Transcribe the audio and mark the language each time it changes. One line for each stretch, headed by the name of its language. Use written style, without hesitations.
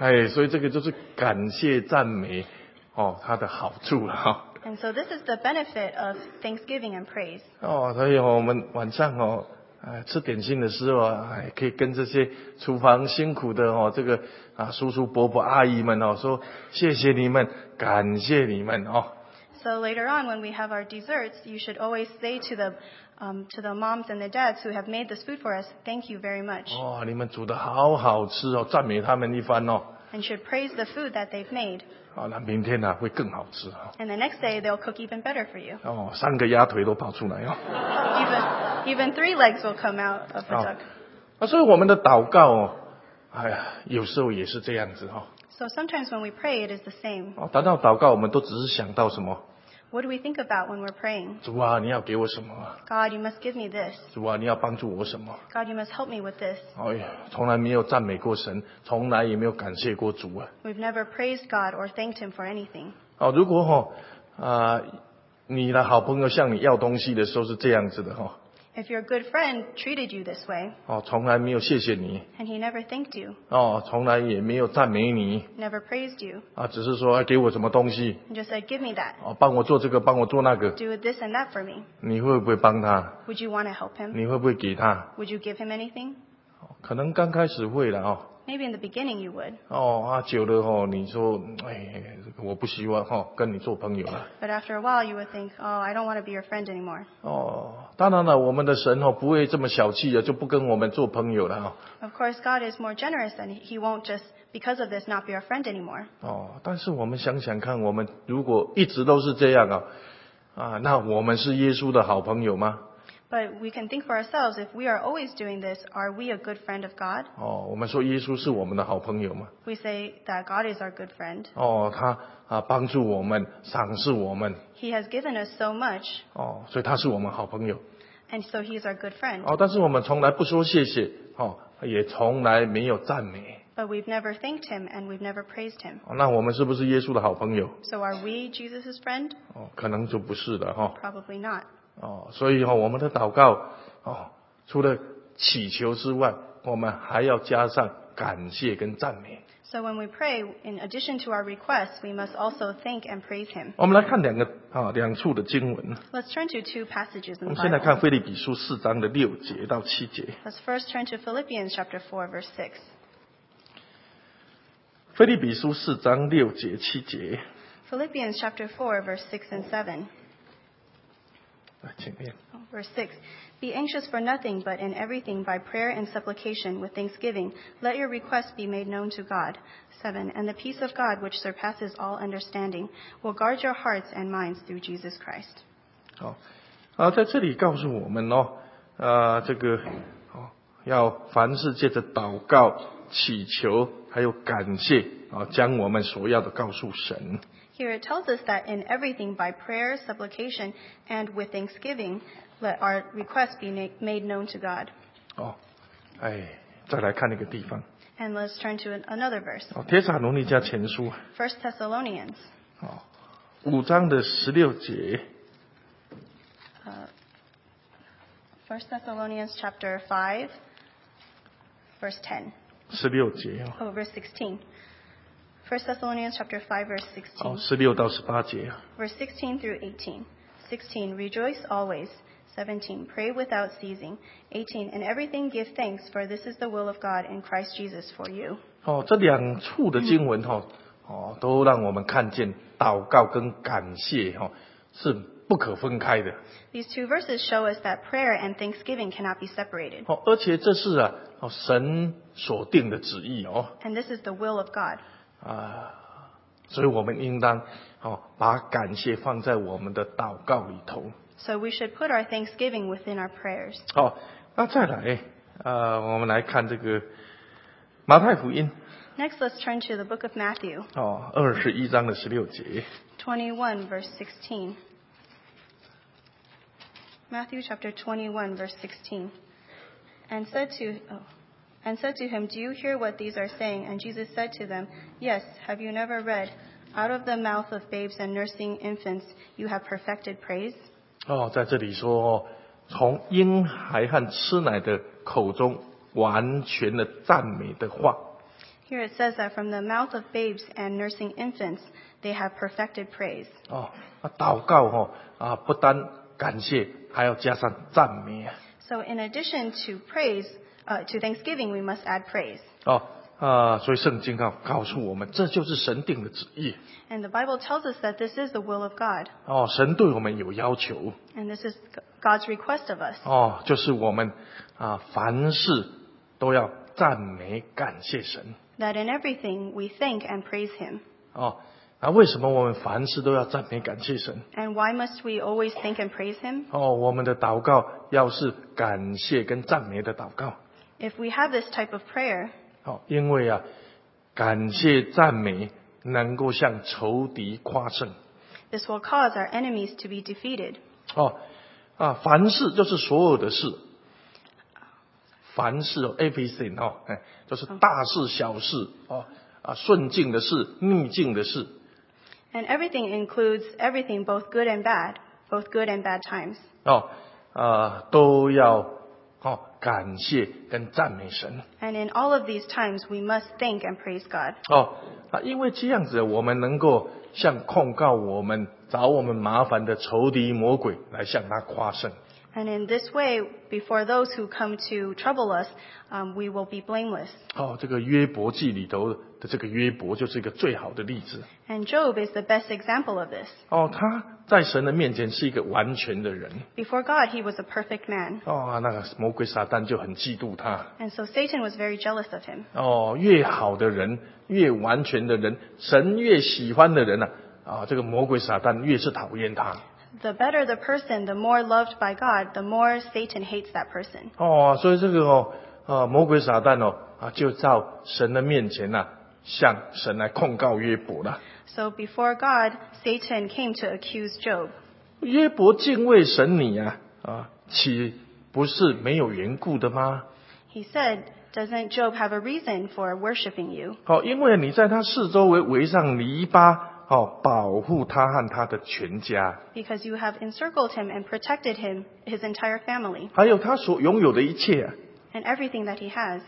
Chinese: 所以这个就是感谢赞美它的好处
English: And so this is the benefit of thanksgiving and praise.
Chinese: 所以我们晚上吃点心的时候可以跟这些厨房辛苦的这个叔叔伯伯阿姨们说谢谢你们，感谢你们
English: So later on, when we have our desserts, you should always say to the moms and the dads who have made this food for us, thank you very much.
Chinese: 你们煮的好好吃赞美他们一番
English: And should praise the food that they've made.
Chinese: 那明天会更好吃
English: And the next day, they'll cook even better for you.
Chinese: 三个鸭腿都跑出来
English: Even three legs will come out of the duck.
Chinese: 所以我们的祷告有时候也是这样子
English: So sometimes when we pray, it is the same.
Chinese: 谈到祷告，我们都只是想到什么
English: What do we think about when we're praying?
Chinese: 主啊，你要给我什么？
English: God, you must give me this.
Chinese: 主啊，你要帮助我什么？
English: God, you must help me with this.
Chinese: 哎呀，从来没有赞美过神，从来也没有感谢过主啊。
English: We've never praised God or thanked Him for anything.
Chinese: 哦，如果哈、哦，你的好朋友向你要东西的时候是这样子的哈、哦。
English: If your good friend treated you this way,
Chinese: 哦，从来没有谢谢你。
English: And he never thanked you.
Chinese: 哦，从来也没有赞美你。
English: Never praised you.
Chinese: 啊，只是说、啊、给我什么东西。
English: And just said, give me that.
Chinese: 哦，帮我做这个，帮我做那个。
English: Do this and that for me.
Chinese: 你会不会帮他？
English: Would you want to help him?
Chinese: 你会不会给他？
English: Would you give him anything?
Chinese: 可能刚开始会啦、哦、
English: Maybe in the beginning you would.
Chinese: 哦，啊，久了哦，你说，哎，这个、我不希望哦，跟你做朋友了。
English: But after a while, you would think, oh, I don't want to be your friend anymore. 哦。
Chinese: 当然了，我们的神不会这么小气的，就不跟我们做朋友了。
English: Of course, God is more generous, and He won't just because of this not be our friend anymore.
Chinese: 哦，但是我们想想看，我们如果一直都是这样啊，啊，那我们是耶稣的好朋友吗？
English: But we can think for ourselves, if we are always doing this, are we a good friend of God?
Chinese: 哦，我们说耶稣是我们的好朋友吗？
English: We say that God is our good friend.
Chinese: 哦，他啊，帮助我们，赏赐我们。
English: He has given us so much.
Chinese: 哦，所以他是我们好朋友。
English: And so he is our good friend.
Chinese: 哦，但是我们从来不说谢谢，哦，也从来没有赞美。
English: But we've never thanked him and we've never praised him.
Chinese: 哦，那我们是不是耶稣的好朋友？
English: So are we Jesus' friend?
Chinese: 哦，可能就不是的哈。
English: Probably not.
Chinese: 哦，所以哈，我们的祷告，哦，除了祈求之外，我们还要加上感谢跟赞美。
English: So when we pray, in addition to our requests, we must also thank and praise Him.
Chinese: 我们来看两个啊两处的经文。
English: Let's turn to two passages in the Bible.
Chinese: 我们先来看腓立比书四章的六节到七节。
English: Let's first turn to Philippians chapter 4, verse 6.
Chinese: 腓立比书四章六节七节。
English: Philippians chapter 4, verse 6 and 7.
Chinese: 来，请念。
English: Verse 6. Be anxious for nothing, but in everything by prayer and supplication with thanksgiving, let your requests be made known to God. 7. And the peace of God, which surpasses all understanding, will guard your hearts and minds through Jesus Christ.
Chinese: 好，在这里告诉我们哦，这个哦，要凡事借着祷告、祈求还有感谢啊，将我们所要的告诉神。
English: Here it tells us that in everything by prayer, supplication, and with thanksgiving, let our requests be made known to God.
Chinese: 哦，哎，再来看那个地方。
English: And let's turn to another verse.
Chinese: 哦，帖撒罗尼迦前书。
English: First Thessalonians.
Chinese: 哦，五章的十六节。
English: First Thessalonians chapter 5, verse 10.
Chinese: 十六节哦。
English: Oh, verse 16. First Thessalonians chapter 5, verse 16.
Chinese: 哦，十六到十八节。
English: Verse 16 through 18. 16, rejoice always. 17, pray without ceasing. 18, in everything give thanks, for this is the will of God in Christ Jesus for you.
Chinese: 哦，这两处的经文哦，哦，都让我们看见祷告跟感谢哦，是不可分开的。
English: These two verses show us that prayer and thanksgiving cannot be separated.
Chinese: 哦，而且这是啊，哦，神所定的旨意哦。
English: And this is the will of God.
Chinese: 啊，所以我们应当哦，把感谢放在我们的祷告里头。
English: So we should put our thanksgiving within our prayers.
Chinese: 好，那再来，我们来看这个马太福音。
English: Next, let's turn to the book of Matthew.
Chinese: 哦，二十一章的十六节。
English: 21 verse 16. Matthew chapter 21 verse 16. And said to him, Do you hear what these are saying? And Jesus said to them, Yes. Have you never read, Out of the mouth of babes and nursing infants, you have perfected praise?
Chinese: 哦，在这里说，从婴孩和吃奶的口中完全的赞美的话。
English: Here it says that from the mouth of babes and nursing infants, they have perfected praise.
Chinese: 哦，那祷告哦，啊，不单感谢，还要加上赞美。
English: So in addition to praise, to thanksgiving, we must add praise. 哦。
Chinese: 所以圣经告诉我们，这就是神定的旨意。
English: And the Bible tells us that this is the will of God.
Chinese: 哦，神对我们有要求。
English: And this is God's request of us.
Chinese: 哦，就是我们啊，凡事都要赞美感谢神。
English: That in everything we thank and praise Him.
Chinese: 哦，那为什么我们凡事都要赞美感谢神
English: ？And why must we always thank and praise Him?
Chinese: 哦，我们的祷告要是感谢跟赞美的祷告。
English: If we have this type of prayer.
Chinese: 好，因为啊，感谢赞美能够向仇敌夸胜。
English: This will cause our enemies to be defeated.
Chinese: 哦，啊，凡事就是所有的事。凡事 ，everything 哦，哎，就是大事、小事哦，啊，顺境的事、逆境的事。
English: And everything includes everything, both good and bad, both good and bad times.
Chinese: 哦，啊，都要哦，感谢跟赞美神。
English: And in all of these times, we must thank and praise God.
Chinese: 哦，啊，因为这样子，我们能够向控告我们找我们麻烦的仇敌魔鬼来向他夸胜。
English: And in this way, before those who come to trouble us, we will be blameless.
Chinese: 哦，这个约伯记里头的这个约伯就是一个最好的例子。
English: And Job is the best example of this.
Chinese: 哦，他在神的面前是一个完全的人。
English: Before God, he was a perfect man.
Chinese: 哦，那个魔鬼撒旦就很嫉妒他。
English: And so Satan was very jealous of him.
Chinese: 哦，越好的人，越完全的人，神越喜欢的人啊，哦，这个魔鬼撒旦越是讨厌他。
English: The better the person, the more loved by God, the more Satan hates that person.
Chinese: 哦，所以这个哦，魔鬼撒旦哦，啊，就到神的面前呐，向神来控告约伯了。
English: So before God, Satan came to accuse Job.
Chinese: 约伯敬畏神你啊，啊，岂不是没有缘故的吗
English: ？He said, "Doesn't Job have a reason for worshiping you?"
Chinese: 哦，因为你在他四周围上篱笆。哦，保护他和他的全家。
English: Because you have encircled him and protected him, his entire family.
Chinese: 还有他所拥有的一切。
English: And everything that he has.